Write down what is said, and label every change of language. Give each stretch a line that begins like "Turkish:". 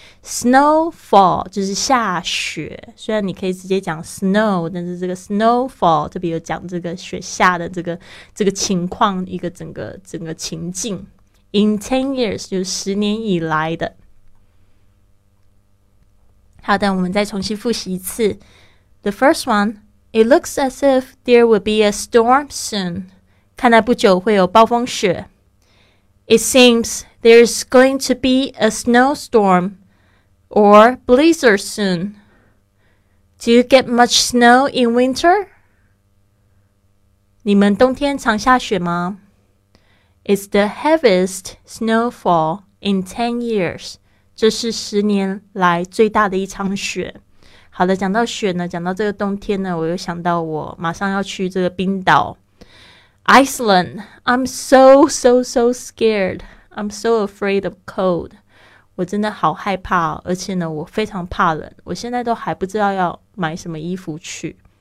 Chinese: snowfall 就是下雪，虽然你可以直接讲 snow， 但是这个 snowfall 特别有讲这个雪下的这个情况，一个整个情境。
English: in 10 years
Chinese: 就是10年以来的。好的，我们再重新复习一次。
English: The first one, it looks as if there will be a storm soon.
Chinese: 看来不久会有暴风雪。
English: It seems there's going to be a snowstorm or blizzard soon. Do you get much snow in winter?
Chinese: 你们冬天常下雪吗？
English: It's the heaviest snowfall in 10 years.
Chinese: 这是十年来最大的一场雪。好的，讲到雪呢，讲到这个冬天呢，我又想到我马上要去这个冰岛 Iceland。
English: I'm so scared. I'm so afraid of cold.
Chinese: 我真的好害怕，而且呢我非常怕冷，我现在都还不知道要买什么衣服去。